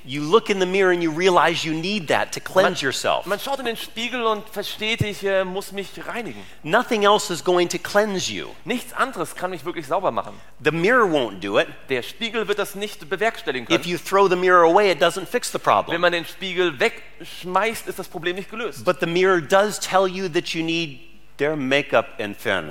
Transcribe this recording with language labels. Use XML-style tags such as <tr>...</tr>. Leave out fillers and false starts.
<en>You look in the mirror and you realize you need that to cleanse yourself.</en> <de>Man schaut in den Spiegel und versteht, ich muss mich reinigen.</de> <en>Nothing else is going to cleanse you.</en> <de>Nichts anderes kann mich wirklich sauber machen.</de> <en>The mirror won't do it.</en> <de>Der Spiegel wird das nicht bewerkstelligen können.</de> <en>If you throw the mirror away, it doesn't fix the problem.</en> <de>Wenn man den Spiegel wegschmeißt, ist das Problem nicht gelöst.</de> <en>But the mirror does tell you that you need their makeup entferner.</en>